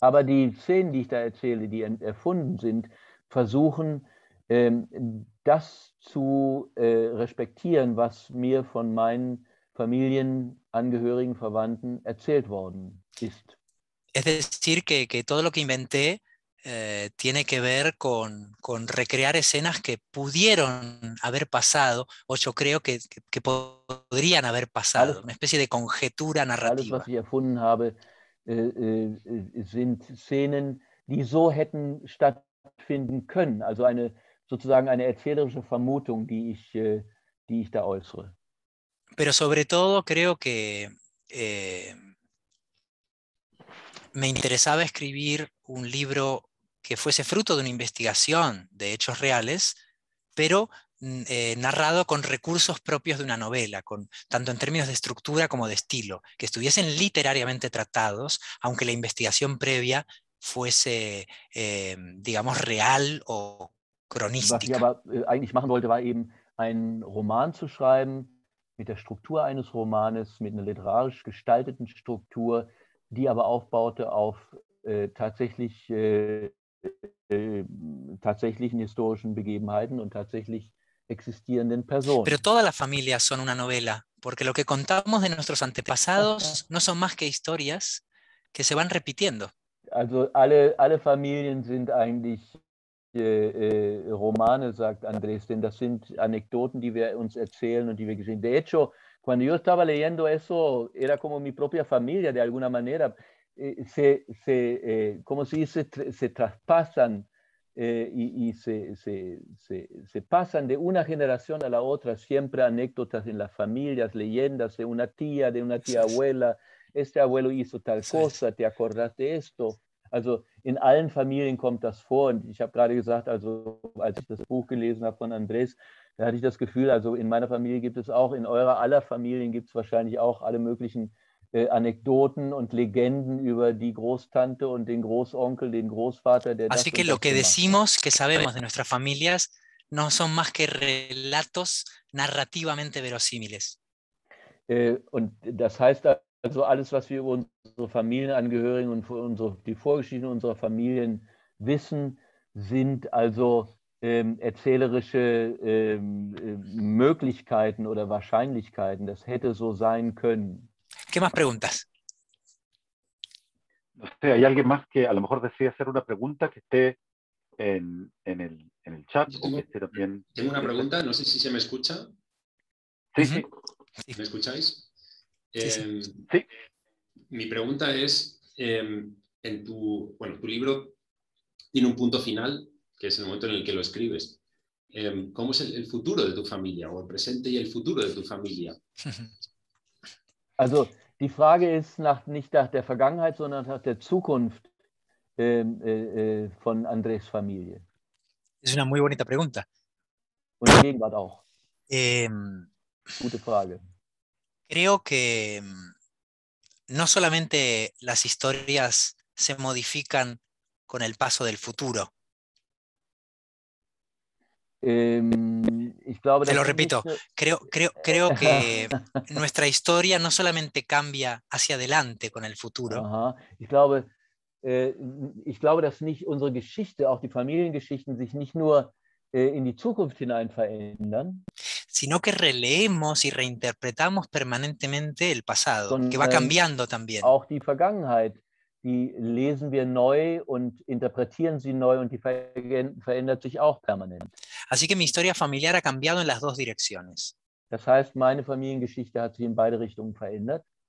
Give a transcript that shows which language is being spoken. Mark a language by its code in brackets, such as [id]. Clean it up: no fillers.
[de] Aber die Szenen, die ich da erzähle, die erfunden sind, versuchen das zu respektieren, was mir von meinen Familienangehörigen, Verwandten erzählt worden ist. [es] Es decir, que todo lo que inventé tiene que ver con recrear escenas que pudieron haber pasado, o yo creo que podrían haber pasado, [de] alles, [es] una especie de conjetura narrativa. [de] Alles, was ich erfunden habe, sind Szenen, die so hätten stattfinden können, also eine sozusagen eine erzählerische Vermutung, die ich da äußere. [es] Pero sobre todo creo que me interesaba escribir un libro que fuese fruto de una investigación de hechos reales, pero narrado con recursos propios de una novela, tanto en términos de estructura como de estilo, que estuviesen literariamente tratados, aunque la investigación previa fuese, digamos, real o cronística. [de] Was ich aber eigentlich machen wollte, war eben einen Roman zu schreiben, mit der Struktur eines Romanes, mit einer literarisch gestalteten Struktur, die aber aufbaute auf tatsächlichen historischen Begebenheiten und tatsächlich existierenden Personen. [es] Pero todas las familias son una novela, porque lo que contamos de nuestros antepasados no son más que historias que se van repitiendo. [de] Also alle Familien sind eigentlich Romane, sagt Andrés, denn das sind Anekdoten, die wir uns erzählen und die wir gesehen. [es] De hecho, cuando yo estaba leyendo eso, era como mi propia familia, de alguna manera, se traspasan y se pasan de una generación a la otra, siempre anécdotas en las familias, leyendas de una tía abuela, este abuelo hizo tal cosa, ¿te acordás de esto? [de] Also en allen Familien kommt das vor, und ich habe gerade gesagt, also als ich das Buch gelesen habe von Andrés, da hatte ich das Gefühl, also in meiner Familie gibt es auch, in eurer aller Familien gibt es wahrscheinlich auch alle möglichen Anekdoten und Legenden über die Großtante und den Großonkel, den Großvater, der das. [es] Así que lo que decimos, que sabemos de nuestras familias, no son más que relatos narrativamente verosímiles. [de] Und das heißt also, alles, was wir über unsere Familienangehörigen und die Vorgeschichten unserer Familien wissen, sind also erzählerische Möglichkeiten oder Wahrscheinlichkeiten. Das hätte so sein können. [es] ¿Qué más preguntas? No sé, ¿hay alguien más que a lo mejor desee hacer una pregunta que esté en el chat? Tengo, o que esté también... tengo una pregunta, no sé si se me escucha. Sí, sí. ¿Me escucháis? Sí. Mi pregunta es, en tu, bueno, tu libro tiene un punto final, que es el momento en el que lo escribes. ¿Cómo es el futuro de tu familia, o el presente y el futuro de tu familia? [de] Also die Frage ist nicht nach der Vergangenheit, sondern nach der Zukunft von Andrés Familie? [es] Es una muy bonita pregunta. [de] Und Gegenwart auch. Gute Frage. [es] Creo que no solamente las historias se modifican con el paso del futuro. [de] Ich glaube, [es] te lo repito, creo que nuestra historia no solamente cambia hacia adelante con el futuro. [de] Ich glaube, dass nicht unsere Geschichte, auch die Familiengeschichten, sich nicht nur in die Zukunft hinein verändern, [es] sino que releemos y reinterpretamos permanentemente el pasado, que va cambiando también. [de] Auch die Vergangenheit, die lesen wir neu und interpretieren sie neu und die verändert sich auch permanent. [es] Así que mi historia familiar ha cambiado en las dos direcciones. [de] Das heißt, meine Familiengeschichte hat sich in beide Richtungen verändert.